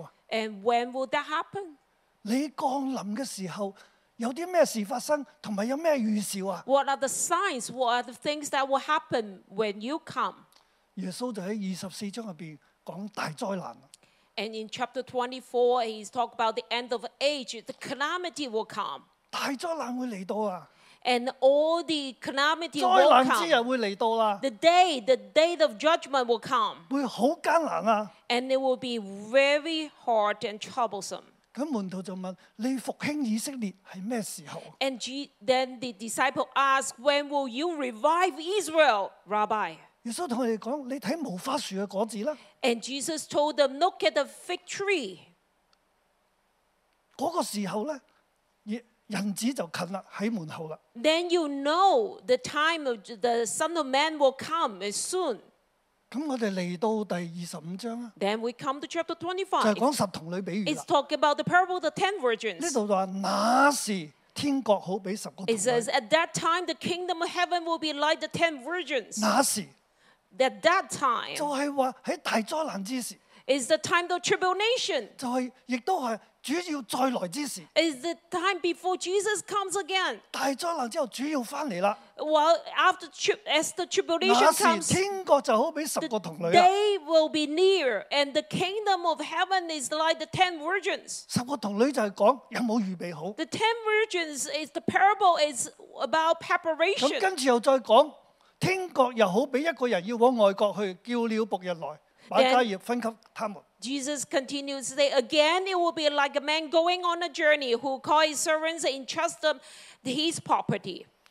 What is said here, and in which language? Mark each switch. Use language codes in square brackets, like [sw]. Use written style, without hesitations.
[en] And when will that happen? What are the signs? What are the things that will happen when you come? [yue] 耶稣就在24章里面讲大灾难。 [en] And in chapter 24, he's talking about the end of age, the calamity will come. [yue] 大灾难会来到啊。 [en] And all the calamity will come. The day of judgment will come. [yue] 会很艰难啊。 [en] And it will be very hard and troublesome. [yue] 门徒就问你复兴以色列是什么时候？ [en] And then the disciple asked, when will you revive Israel, Rabbi? [yue] 耶稣跟他们说你看无花树的果子吧。 [en] And Jesus told them, look at the fig tree. [yue] 那个时候人子就近了，在门口了。 [en] Then you know the time of the Son of Man will come is soon. [yue] 我们来到第25章。 [en] Then we come to chapter 25. [yue] 就是讲十童女比喻。 [en] It's talking about the parable of the 10 virgins. [yue] 这里说那时天国好比十个童女。 [en] It says at that time the kingdom of heaven will be like the 10 virgins. [yue] 那时。 [en] At that time. [yue] 就是说在大灾难之时。 [en] Is the time of tribulation. [yue] 就是亦都是主要再来之时。 [en] Is the time before Jesus comes again. [yue] 大灾难之后主要回来了。 [en] Well, after as the tribulation comes, [yue] 那时天国就好比十个童女。 [en] They will be near, and the kingdom of heaven is like the 10 virgins. [yue] 十个童女就是说有没有预备好。 [en] The 10 virgins is the parable is about preparation. [yue] 跟着又再说，天国又好比一个人要往外国去，叫了仆人来。 [en] Then Jesus continues to say, again, it will be like a man going on a journey who calls his servants and entrusts them his property.